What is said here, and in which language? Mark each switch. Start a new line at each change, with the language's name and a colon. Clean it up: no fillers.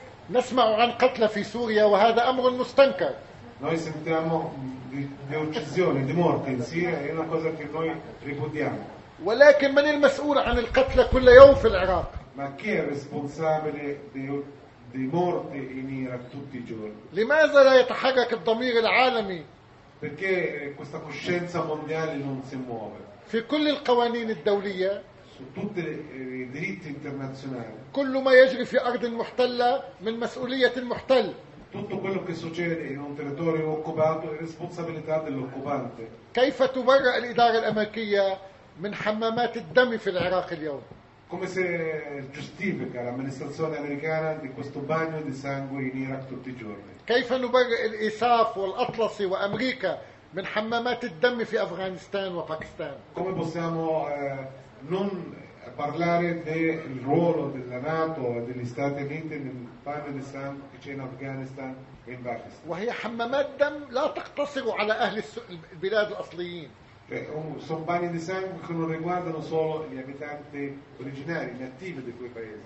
Arabic: نسمع عن قتل في سوريا وهذا أمر مستنكر.
Italian: Noi sentiamo di uccisioni, di morte in Siria, è una cosa che noi ripudiamo.
Arabic: ولكن من المسؤول عن القتل كل يوم في العراق؟
Italian: Ma chi è responsabile di morte in Iraq tutti i giorni?
Arabic: لماذا لا يتحرك الضمير العالمي؟
Italian: Perché questa coscienza mondiale non si muove.
Arabic: في كل القوانين الدولية.
Italian: Su tutti i diritti internazionali.
Arabic: كل ما يجري في أرض محتلة من مسؤولية المحتل.
Italian: Tutto quello che succede in un territorio occupato è responsabilità dell'occupante.
Arabic: كيف تبرأ الإدارة الأمريكية من حمامات الدم في العراق اليوم؟
Italian: Come si giustifica l'amministrazione americana di questo bagno di sangue in Iraq tutti i giorni?
Arabic: كيف نبرئ الإساف والأطلسي وأمريكا من حمامات الدم في أفغانستان وباكستان؟
Italian: Come possiamo non parlare del ruolo della NATO e degli Stati Uniti nel bagno di sangue che c'è in Afghanistan e in Pakistan?
Arabic: وهي حمامات دم لا تقتصر على أهل البلاد الأصليين.
Italian: Sono bagni di sangue che non riguardano solo gli abitanti originari, nativi di quei paesi.